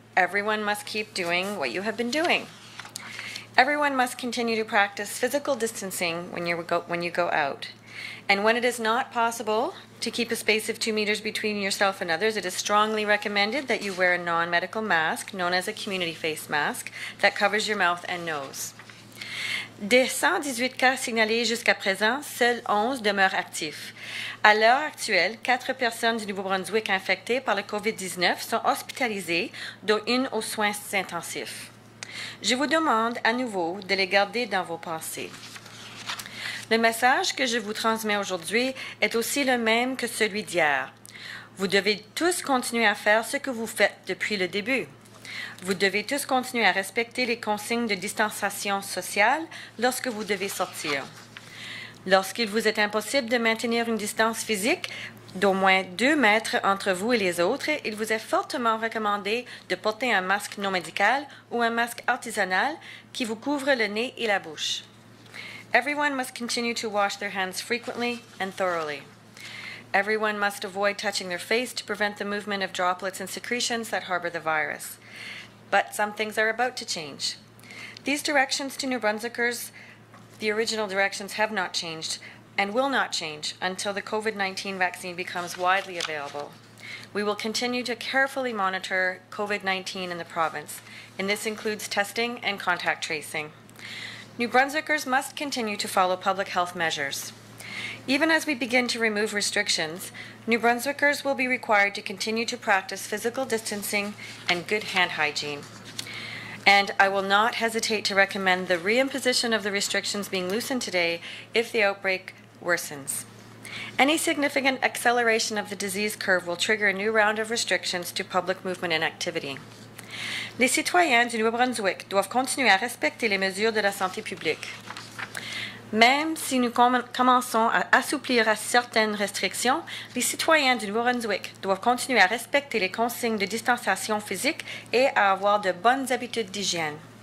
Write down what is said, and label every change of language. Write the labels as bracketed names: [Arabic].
[English] Everyone must keep doing what you have been doing. Everyone must continue to practice physical distancing when you go out. And when it is not possible to keep a space of 2 meters between yourself and others, it is strongly recommended that you wear a non-medical mask, known as a community face mask, that covers your mouth and nose. [French] Des 118 cas signalés jusqu'à présent, seuls 11 demeurent actifs. À l'heure actuelle, 4 personnes du Nouveau-Brunswick infectées par le COVID-19 sont hospitalisées, dont une aux soins intensifs. Je vous demande à nouveau de les garder dans vos pensées. Le message que je vous transmets aujourd'hui est aussi le même que celui d'hier. Vous devez tous continuer à faire ce que vous faites depuis le début. Vous devez tous continuer à respecter les consignes de distanciation sociale lorsque vous devez sortir. Lorsqu'il vous est impossible de maintenir une distance physique d'au moins 2 mètres entre vous et les autres, il vous est fortement recommandé de porter un masque non médical ou un masque artisanal qui vous couvre le nez et la bouche. [English] Everyone must continue to wash their hands frequently and thoroughly. Everyone must avoid touching their face to prevent the movement of droplets and secretions that harbor the virus. But some things are about to change. These directions to New Brunswickers, the original directions, have not changed and will not change until the COVID-19 vaccine becomes widely available. We will continue to carefully monitor COVID-19 in the province, and this includes testing and contact tracing. New Brunswickers must continue to follow public health measures. Even as we begin to remove restrictions, New Brunswickers will be required to continue to practice physical distancing and good hand hygiene. And I will not hesitate to recommend the reimposition of the restrictions being loosened today if the outbreak worsens. Any significant acceleration of the disease curve will trigger a new round of restrictions to public movement and activity. [French] Les citoyens du Nouveau-Brunswick doivent continuer à respecter les mesures de la santé publique. Même si nous commençons à assouplir à certaines restrictions, les citoyens du Nouveau-Brunswick doivent continuer à respecter les consignes de distanciation physique et à avoir de bonnes habitudes d'hygiène.